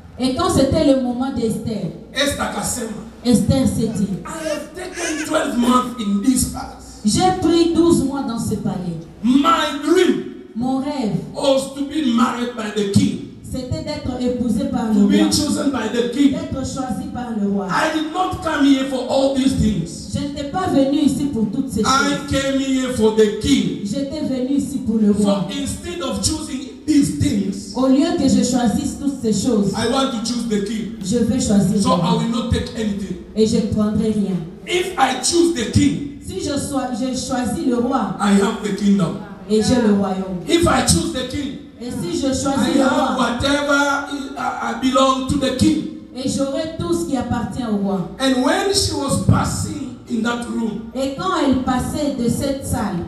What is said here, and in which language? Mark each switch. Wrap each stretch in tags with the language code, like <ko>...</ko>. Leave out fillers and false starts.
<fr>Et quand c'était le moment d'Esther,</fr> <sw>Esther kasema,</sw> <fr>Esther s'est dit,</fr> <en>I have taken 12 months in this palace.</en> <fr>J'ai pris 12 mois dans ce palais.</fr> <en>My dream,</en> <fr>mon rêve,</fr> <en>was to be married by the king.</en> <fr>C'était d'être épousé par</fr> <en>to</en> <fr>le roi.</fr> <en>To be chosen by the king.</en> <fr>D'être choisi par le roi.</fr> <en>I did not come here for all these things.</en> <fr>Je n'étais pas venu ici pour toutes ces choses.</fr> <en>I came here for the king.</en> <fr>J'étais venu ici pour le roi.</fr> <en>So instead of choosing these things,</en> <fr>au lieu que je choisisse toutes ces choses,</fr> <en>I want to choose the king.</en> <fr>Je vais choisir</fr> <en>so</en> <fr>le roi.</fr> <en>I will not take anything.</en> <fr>Et je ne prendrai rien.</fr> <en>If I choose the king,</en> <fr>si je choisis le roi,</fr> <en>I have the kingdom.</en> <fr>Et j'ai le royaume.</fr> <en>If I choose the king,</en> <fr>et si je choisis</fr> <en>I</en> <fr>le roi,</fr> <en>whatever I belong to the king.</en> <fr>Et j'aurai tout ce qui appartient au roi.</fr> <en>And when she was passing in that room,</en> <fr>et quand elle passait de cette salle,</fr>